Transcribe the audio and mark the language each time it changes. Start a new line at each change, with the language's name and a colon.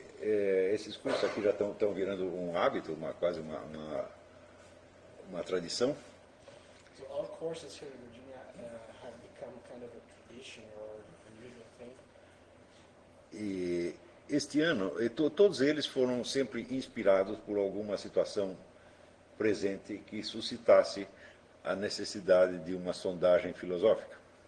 Portuguese: Esses cursos aqui já estão virando um hábito, quase uma tradição.
English: So all courses here in Virginia have become kind of a tradition or unusual thing.
Portuguese: E este ano, todos eles foram sempre inspirados por alguma situação presente que suscitasse a necessidade de uma sondagem filosófica.